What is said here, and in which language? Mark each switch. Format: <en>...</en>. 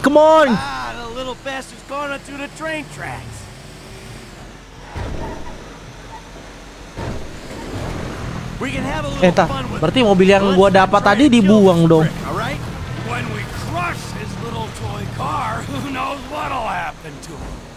<en>Ah, the little bastard's gone onto the train tracks. We can have a little fun with it.</en> <id>Berarti mobil yang gua dapat tadi dibuang dong.</id> <en>All right. When we crush his little toy car, who knows what'll happen to him?</en>